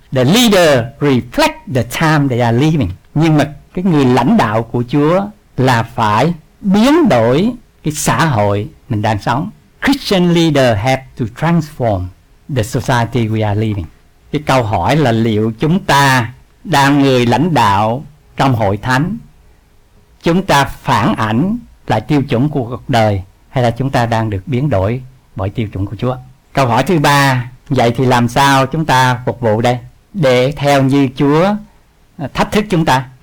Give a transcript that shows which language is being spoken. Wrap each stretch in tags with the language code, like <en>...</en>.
<en>The leader reflect the time they are living.</en> <vi>Nhưng mà cái người lãnh đạo của Chúa là phải biến đổi cái xã hội mình đang sống.</vi> <en>Christian leader have to transform the society we are living.</en> <vi>Cái câu hỏi là liệu chúng ta đang người lãnh đạo trong hội thánh, chúng ta phản ảnh lại tiêu chuẩn của cuộc đời, hay là chúng ta đang được biến đổi bởi tiêu chuẩn của Chúa? Câu hỏi thứ ba, vậy thì làm sao chúng ta phục vụ đây để theo như Chúa thách thức chúng ta?</vi>